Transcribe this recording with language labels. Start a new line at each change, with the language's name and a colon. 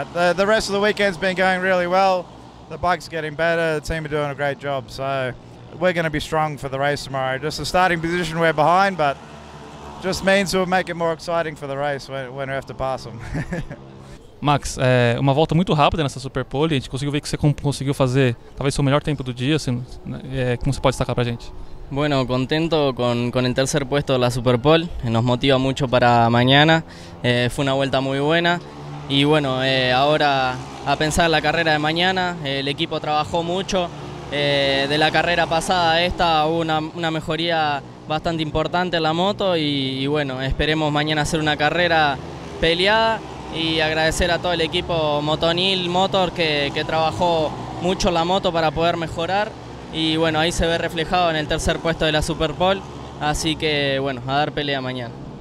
English: But the rest of the weekend's been going really well. The bike's getting better. The team are doing a great job. So we're going to be strong for the race tomorrow. Just the starting position we're behind, but just means we'll make it more exciting for the race when we have to pass them.
Portuguese: Max, uma volta muito rápida nessa SuperPole. A gente conseguiu ver que você conseguiu fazer talvez seu melhor tempo do dia. Assim, como você pode destacar pra gente?
Spanish: Bueno, contento con el tercer puesto de la SuperPole. Nos motiva mucho para mañana. Fue una vuelta muy buena. Y bueno, ahora a pensar la carrera de mañana. El equipo trabajó mucho. De la carrera pasada a esta hubo una mejoría bastante importante en la moto y bueno, esperemos mañana hacer una carrera peleada y agradecer a todo el equipo Motonil Motor que trabajó mucho la moto para poder mejorar y bueno, ahí se ve reflejado en el tercer puesto de la SuperPole, así que bueno, a dar pelea mañana.